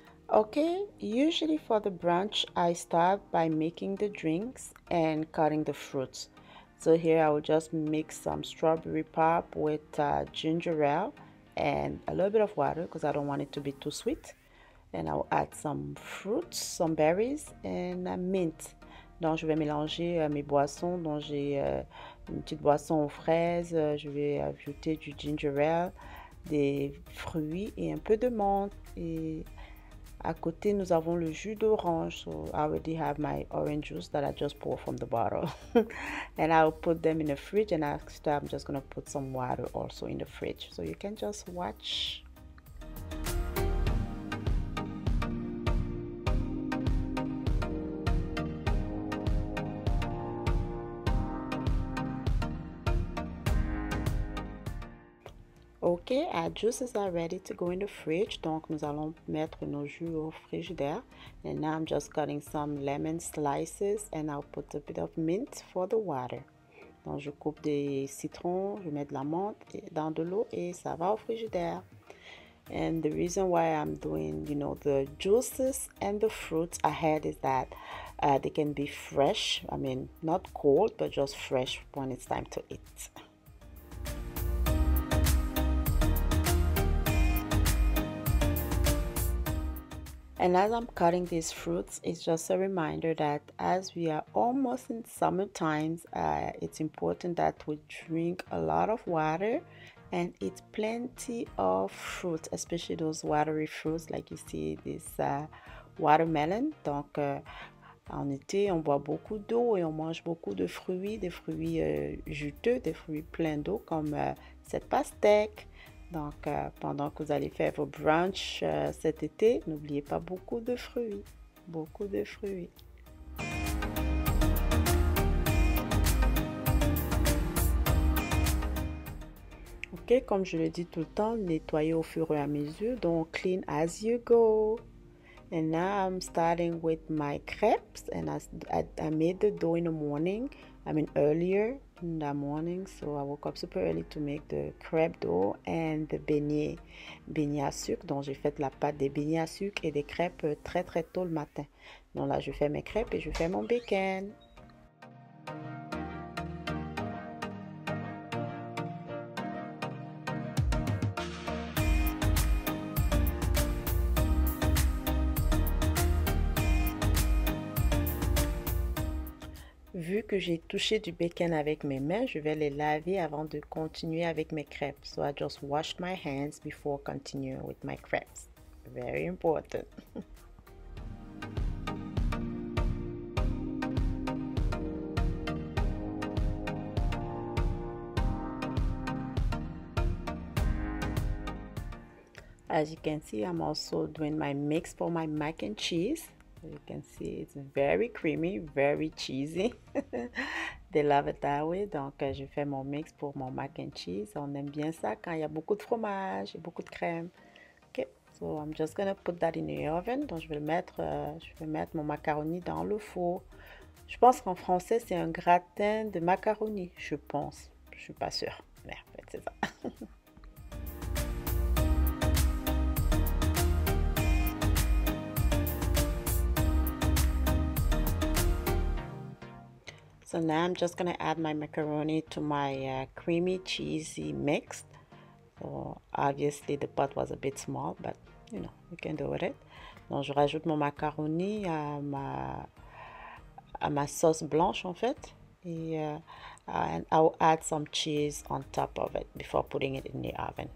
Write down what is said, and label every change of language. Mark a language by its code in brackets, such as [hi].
[en] Okay, usually for the brunch, I start by making the drinks and cutting the fruits. So here I will just mix some strawberry pop with ginger ale and a little bit of water because I don't want it to be too sweet. And I'll add some fruits, some berries, and a mint. [fr] Donc, je vais mélanger mes boissons. Donc, j'ai une petite boisson aux fraises. Je vais ajouter du ginger ale, des fruits et un peu de menthe. Et à côté, nous avons le jus d'orange. [en] So, I already have my orange juice that I just poured from the bottle. And I'll put them in the fridge. And next, I'm just going to put some water also in the fridge. So, you can just watch. Ok, our juices are ready to go in the fridge. [fr] Donc, nous allons mettre nos jus au frigidaire. [en] And now I'm just cutting some lemon slices and I'll put a bit of mint for the water. [fr] Donc, je coupe des citrons, je mets de la menthe dans de l'eau et ça va au frigidaire. [en] And the reason why I'm doing, you know, the juices and the fruits ahead is that they can be fresh. I mean, not cold, but just fresh when it's time to eat. And as I'm cutting these fruits, it's just a reminder that as we are almost in summer times, it's important that we drink a lot of water and eat plenty of fruit, especially those watery fruits like you see this watermelon. [fr] Donc, en été, on boit beaucoup d'eau et on mange beaucoup de fruits, des fruits juteux, des fruits pleins d'eau comme cette pastèque. Donc, pendant que vous allez faire vos brunch cet été, n'oubliez pas beaucoup de fruits. Beaucoup de fruits. Ok, comme je le dis tout le temps, nettoyez au fur et à mesure. [en] Donc, clean as you go. And now I'm starting with my crepes. And I made the dough in the morning. I mean, earlier in the morning, so I woke up super early to make the crepe dough and the beignets à sucre. [fr] Donc, j'ai fait la pâte des beignets à sucre et des crêpes très, très tôt le matin. Donc là, je fais mes crêpes et je fais mon bacon. Vu que j'ai touché du bacon avec mes mains, je vais les laver avant de continuer avec mes crêpes. [en] So I just washed my hands before continuing with my crêpes. Very important. As you can see, I'm also doing my mix for my mac and cheese. You can see it's very creamy, very cheesy. They love it that way. [fr] Donc, je fais mon mix pour mon mac and cheese. On aime bien ça quand il y a beaucoup de fromage et beaucoup de crème. [en] Okay, so I'm just gonna put that in the oven. [fr] Donc, je vais mettre mon macaroni dans le four. Je pense qu'en français, c'est un gratin de macaroni. Je pense. Je suis pas sûre. Mais en fait, c'est ça. [en] So now I'm just gonna add my macaroni to my creamy cheesy mix. So obviously the pot was a bit small, but you know, you can do with it. [fr] Donc je rajoute mon macaroni à ma sauce blanche en fait. [en] And I'll add some cheese on top of it before putting it in the oven.